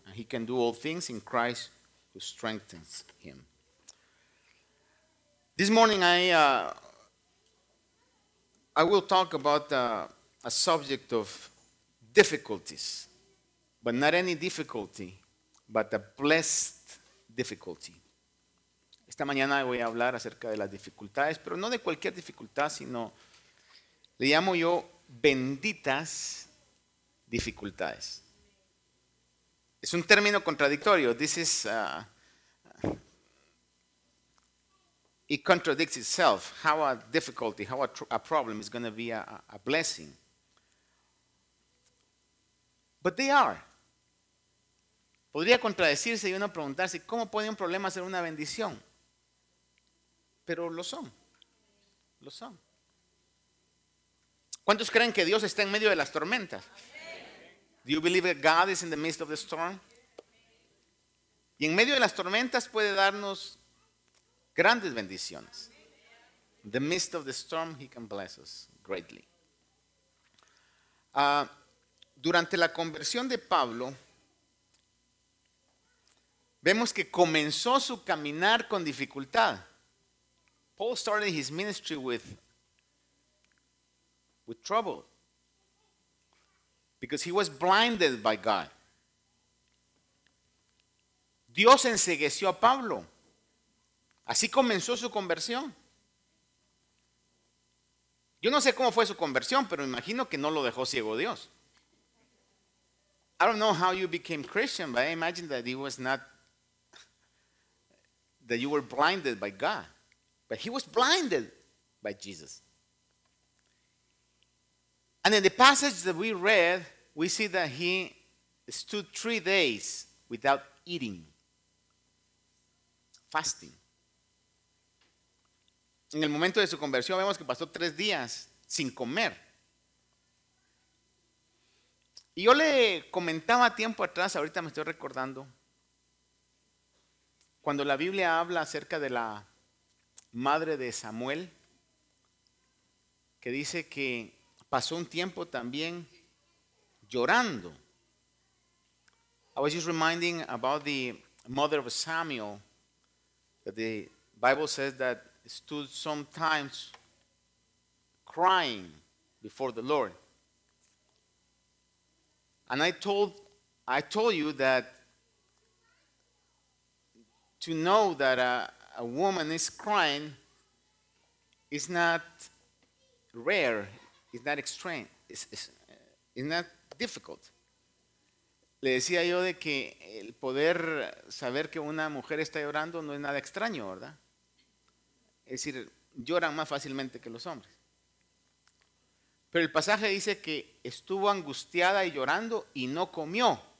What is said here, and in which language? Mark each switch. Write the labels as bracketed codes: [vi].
[en] And he can do all things in Christ who strengthens him. This morning I will talk about a subject of difficulties, but not any difficulty, but a blessed difficulty. [es] Esta mañana voy a hablar acerca de las dificultades, pero no de cualquier dificultad, sino le llamo yo benditas dificultades. Es un término contradictorio. [en] This is it contradicts itself. How a difficulty, how a problem is going to be a blessing. But they are. [es] Podría contradecirse y uno preguntarse, ¿cómo puede un problema ser una bendición? Pero lo son. Lo son. ¿Cuántos creen que Dios está en medio de las tormentas? [en] Do you believe that God is in the midst of the storm? [es] Y en medio de las tormentas puede darnos grandes bendiciones. [en] In the midst of the storm, he can bless us greatly. [es] Durante la conversión de Pablo, vemos que comenzó su caminar con dificultad. [en] Paul started his ministry with trouble because he was blinded by God. [es] Dios ensegueció a Pablo. Así comenzó su conversión. Yo no sé cómo fue su conversión, pero me imagino que no lo dejó ciego Dios. [en] I don't know how you became Christian, but I imagine that it was not that you were blinded by God. But he was blinded by Jesus. And in the passage that we read, we see that he stood 3 days without eating, fasting. [es] En el momento de su conversión, vemos que pasó 3 días sin comer. Y yo le comentaba tiempo atrás, ahorita me estoy recordando, cuando la Biblia habla acerca de la madre de Samuel, que dice que pasó un tiempo también llorando. [en] I was just reminding about the mother of Samuel, that the Bible says that stood sometimes crying before the Lord. And I told you that to know that a woman is crying is not rare, is not extreme, is not difficult. [es] Le decía yo de que el poder saber que una mujer está llorando no es nada extraño, ¿verdad? Es decir, lloran más fácilmente que los hombres. Pero el pasaje dice que estuvo angustiada y llorando y no comió.